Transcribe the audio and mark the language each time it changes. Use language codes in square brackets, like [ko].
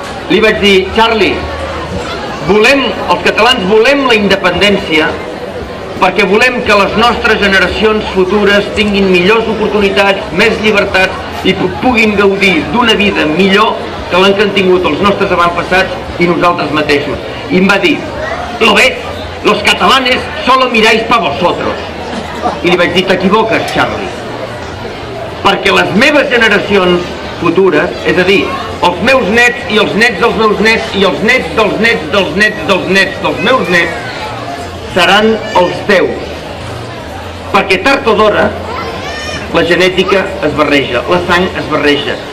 [ca] Li vaig dir: Charlie, volem, els catalans volem la independència perquè volem que les nostres generacions futures tinguin millors oportunitats, més llibertats i puguin gaudir d'una vida millor que l'han tingut els nostres avantpassats i nosaltres mateixos. I em va dir, [es] lo ves, los catalanes solo miráis pa vosotros. [ca] I li vaig dir, t'equivoques, Charlie, perquè les meves generacions futures, és a dir, els meus nets i els nets dels meus nets i els nets dels nets dels nets dels nets dels meus nets, seran els teus. Perquè tard o d'hora la genètica es barreja, la sang es barreja.